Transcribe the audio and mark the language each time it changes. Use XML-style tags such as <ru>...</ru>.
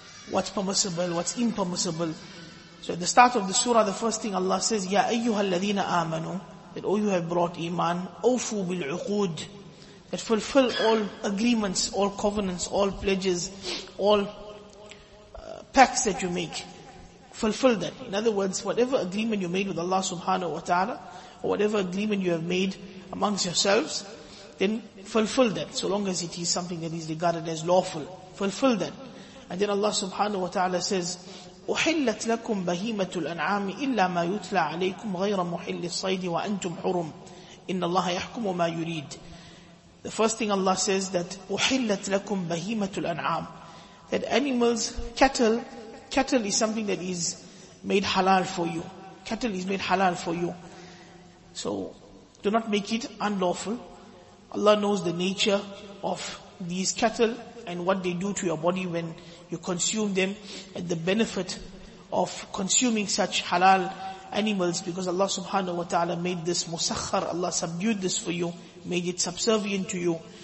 <en>What's permissible, what's impermissible. So at the start of the surah, the first thing Allah says,</en> <ar>Ya ayyuhal ladhina amanu,</ar> <en>that oh, you have brought iman,</en> <ar>awfu bil uqood,</ar> <en>that fulfill all agreements, all covenants, all pledges, all pacts that you make, fulfill that. In other words, whatever agreement you made with Allah subhanahu wa ta'ala, or whatever agreement you have made amongst yourselves, then fulfill that, so long as it is something that is regarded as lawful. Fulfill that. And then Allah subhanahu wa ta'ala says,</en> <ar>أُحِلَّتْ لَكُمْ بَهِيمَةُ الْأَنْعَامِ إِلَّا مَا يُتْلَى عَلَيْكُمْ غَيْرَ مُحِلِّ الصَّيْدِ وَأَنْتُمْ حُرُمٌ إِنَّ اللَّهَ يَحْكُمُ مَا يُرِيدُ.</ar> <en>The first thing Allah says, that</en> <ar>أُحِلَّتْ لَكُمْ بَهِيمَةُ الْأَنْعَامِ,</ar> <en>that animals, cattle is something that is made halal for you. Cattle is made halal for you. So do not make it unlawful. Allah knows the nature of these cattle and what they do to your body when you consume them, and the benefit of consuming such halal animals, because Allah subhanahu wa ta'ala made this musakhar, Allah subdued this for you, made it subservient to you.</en>